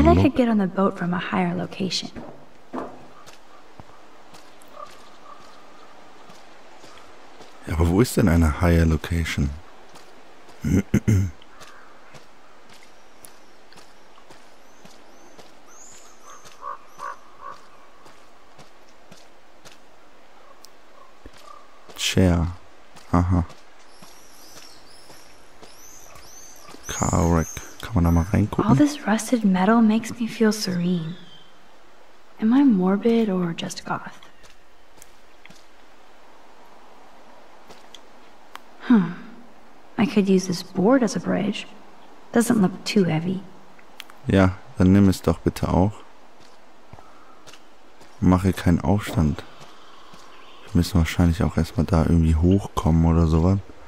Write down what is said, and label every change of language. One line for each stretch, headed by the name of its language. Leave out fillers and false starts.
English: I bet I could get on the boat from a higher location.
German: Ja, aber wo ist denn eine
English: higher location? Chair. Aha. Car wreck.
German: Kann man da mal reingucken?
English: All this rusted metal makes me feel serene. Am I morbid or just goth? I could use this board as a bridge. Doesn't look too heavy.
German: Ja, dann nimm es doch bitte auch. Mache keinen Aufstand. Müssen wahrscheinlich auch erstmal da irgendwie hochkommen oder sowas.